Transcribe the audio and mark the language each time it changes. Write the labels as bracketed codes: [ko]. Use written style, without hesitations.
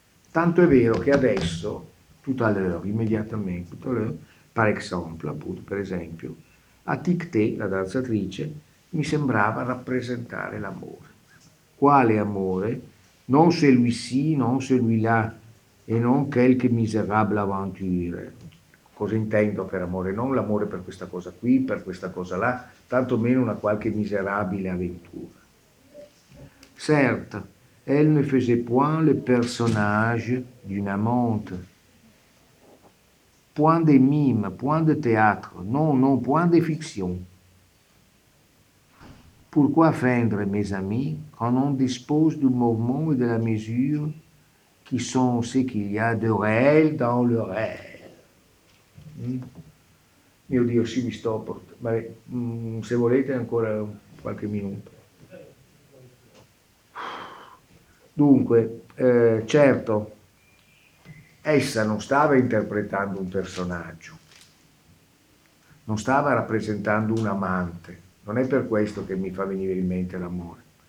[it] Tanto è vero che adesso, [fr] tout à l'heure, [it] immediatamente, [fr] tout à l'heure, par exemple, [it] appunto, per esempio, a Tic-Té, la danzatrice, mi sembrava rappresentare l'amore. Quale amore? [fr] Non celui-ci, non celui-là, e non quelque misérable aventure. [it] Cosa intendo per amore? Non l'amore per questa cosa qui, per questa cosa là, tantomeno una qualche miserabile avventura. [fr] Certes, elle ne faisait point le personnage d'une amante. Point de mime, point de théâtre, non, non, point de fiction. Pourquoi feindre, mes amis, quand on dispose du mouvement et de la mesure qui sont ce qu'il y a de réel dans le réel? [it] Mio Dio, sì, mi sto portando. Se volete, ancora qualche minuto. Dunque, certo. Essa non stava interpretando un personaggio, non stava rappresentando un amante, non è per questo che mi fa venire in mente l'amore.